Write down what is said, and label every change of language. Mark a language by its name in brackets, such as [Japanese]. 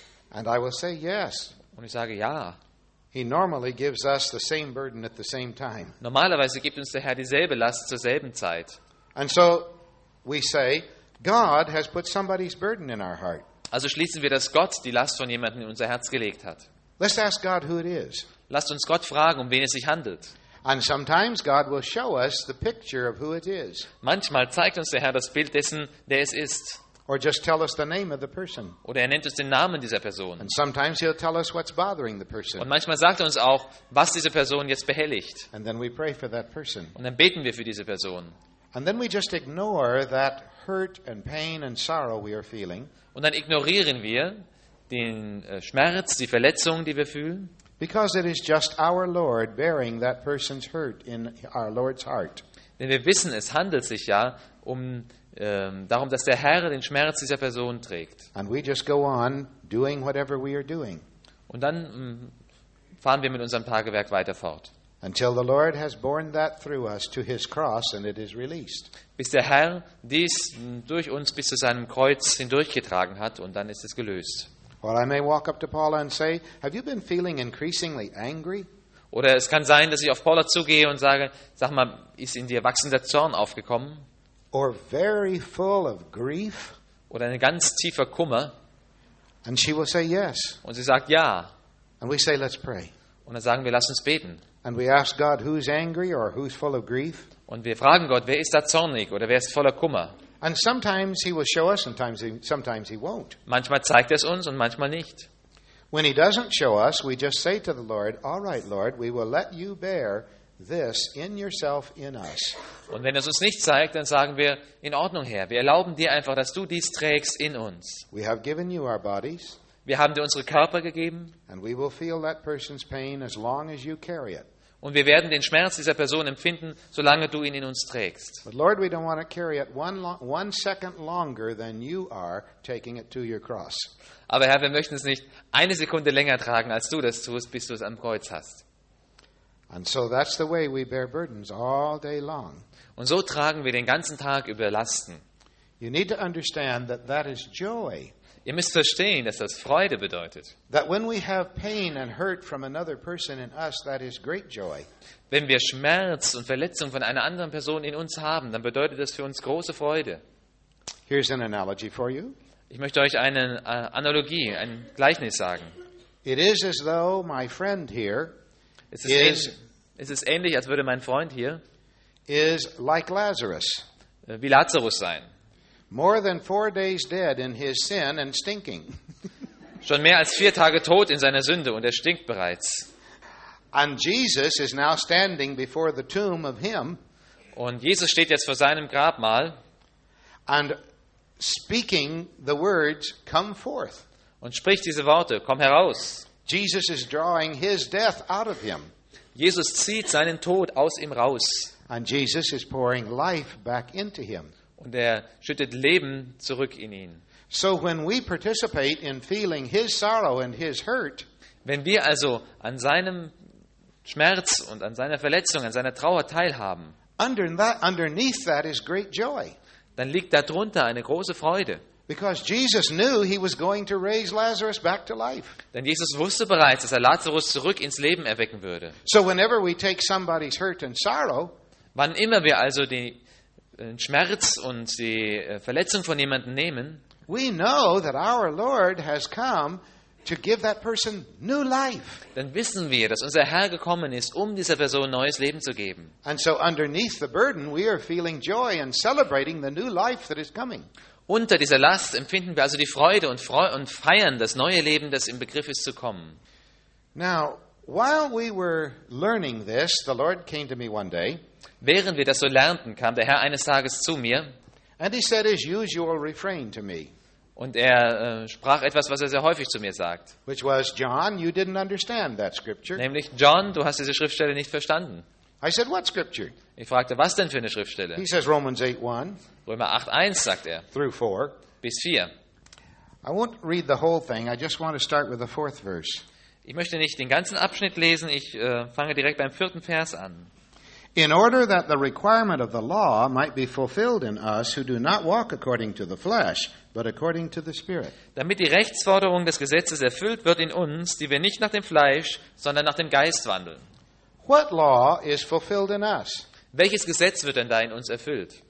[English] And I will say yes. [German] Und ich sage ja. [English] He normally gives us the same burden at the same time. [German] Normalerweise gibt uns der Herr dieselbe Last zur selben Zeit. [English] And so we say, God has put somebody's burden in our heart. [German] Also schließen wir, dass Gott die Last von jemandem in unser Herz gelegt hat. [English] Let's ask God who it is. [German] Lasst uns Gott fragen, um wen es sich handelt. [English] And sometimes God will show us the picture of who it is. [German] Manchmal zeigt uns der Herr das Bild dessen, der es ist. [English] Or just tell us the name of the person. [German] Oder er nennt uns den Namen dieser Person. [English] And sometimes he'll tell us what's bothering the person. [German] Und manchmal sagt er uns auch, was diese Person jetzt behelligt. [English] And then we pray for that person. [German] Und dann beten wir für diese Person. [English] And then we just ignore that hurt and pain and sorrow we are feeling. [German] Und dann ignorieren wir den Schmerz, die Verletzung, die wir fühlen. [English] Because it is just our Lord bearing that person's hurt in our Lord's heart. [German] Denn wir wissen, es handelt sich ja darum, dass der Herr den Schmerz dieser Person trägt. [English] And we just go on doing whatever we are doing. [German] Und dann fahren wir mit unserem Tagewerk weiter fort. [English] Until the Lord has borne that through us to his cross and it is released. [German] Bis der Herr dies durch uns bis zu seinem Kreuz hindurchgetragen hat und dann ist es gelöst. [English] Or I may walk up to Paula and say, have you been feeling increasingly angry? [German] Oder es kann sein, dass ich auf Paula zugehe und sage, sag mal, ist in dir wachsender Zorn aufgekommen? [English] Or very full of grief? [German] Oder ein ganz tiefer Kummer? [English] And she will say yes. [German] Und sie sagt ja. [English] And we say, let's pray. [German] Und dann sagen wir, lass uns beten. [English] And we ask God, who's angry or who's full of grief? [German] Und wir fragen Gott, wer ist da zornig oder wer ist voller Kummer? [English] And sometimes he will show us, sometimes he won't. [German] Manchmal zeigt es uns und manchmal nicht. [English] When he doesn't show us, we just say to the Lord, all right, Lord, we will let you bear this in yourself in us. [German] Und wenn es uns nicht zeigt, dann sagen wir, in Ordnung, Herr, wir erlauben dir einfach, dass du dies trägst in uns. [English] We have given you our bodies. [German] Wir haben dir unsere Körper gegeben. [English] And we will feel that person's pain as long as you carry it. [German] Und wir werden den Schmerz dieser Person empfinden, solange du ihn in uns trägst. [English] But Lord, we don't want to carry it one second longer than you are taking it to your cross. [German] Aber Herr, wir möchten es nicht eine Sekunde länger tragen, als du das tust, bis du es am Kreuz hast. [English] And so that's the way we bear burdens all day long. [German] Und so tragen wir den ganzen Tag über Lasten. [English] You need to understand that that is joy. [German] Ihr müsst verstehen, dass das Freude bedeutet. [English] That when we have pain and hurt from another person in us, that is great joy. [German] Wenn wir Schmerz und Verletzung von einer anderen Person in uns haben, dann bedeutet das für uns große Freude. [English] Here's an analogy for you. [German] Ich möchte euch eine Analogie, ein Gleichnis sagen. [English] It is as though my friend here is. [German] Es ist ähnlich, als würde mein Freund hier [English] is like Lazarus. [German] Wie Lazarus sein. [English] More than 4 days dead in his sin and stinking. [German] Schon mehr als 4 Tage tot in seiner Sünde und er stinkt bereits. [English] And Jesus is now standing before the tomb of him. [German] Und Jesus steht jetzt vor seinem Grabmal. [English] And speaking the words, come forth. [German] Und spricht diese Worte, komm heraus. [English] Jesus is drawing his death out of him. [German] Jesus zieht seinen Tod aus ihm raus. [English] And Jesus is pouring life back into him. [German] Und er schüttet Leben zurück in ihn. [English] So when we participate in feeling his sorrow and his hurt, [German] wenn wir also an seinem Schmerz und an seiner Verletzung, an seiner Trauer teilhaben, [English] underneath that is great joy. [German] Dann liegt darunter eine große Freude. [English] Because Jesus knew he was going to raise Lazarus back to life. [German] Denn Jesus wusste bereits, dass er Lazarus zurück ins Leben erwecken würde. [English] So whenever we take somebody's hurt and sorrow, [German] wann immer wir also die Schmerz und die Verletzung von jemandem nehmen. [English] We know that our Lord has come to give that person new life. [German] Dann wissen wir, dass unser Herr gekommen ist, um dieser Person neues Leben zu geben. [English] And so underneath the burden we are feeling joy and celebrating the new life that is coming. [German] Unter dieser Last empfinden wir also die Freude und feiern das neue Leben, das im Begriff ist zu kommen. [English] Now, while we were learning this, the Lord came to me one day. [German] Während wir das so lernten, kam der Herr eines Tages zu mir. [English] And he said his usual refrain to me. [German] Und er sprach etwas, was er sehr häufig zu mir sagt. [English] Which was, John, you didn't understand that scripture. [German] Nämlich, John, du hast diese Schriftstelle nicht verstanden. [English] I said, what scripture? [German] Ich fragte, was denn für eine Schriftstelle? [English] He says Romans 8:1. [German] Römer 8:1 sagt er. [English] Through 4. [German] Bis 4. [English] I won't read the whole thing. I just want to start with the fourth verse. [German] Ich möchte nicht den ganzen Abschnitt lesen. Ich fange direkt beim vierten Vers an. [English] In order that the requirement of the law might be fulfilled in us who do not walk according to the flesh, but according to the Spirit. [German] Damit die Rechtsforderung des Gesetzes erfüllt wird in uns, die wir nicht nach dem Fleisch, sondern nach dem Geist wandeln. [English] What law is fulfilled in us? [German] Welches Gesetz wird denn da in uns erfüllt?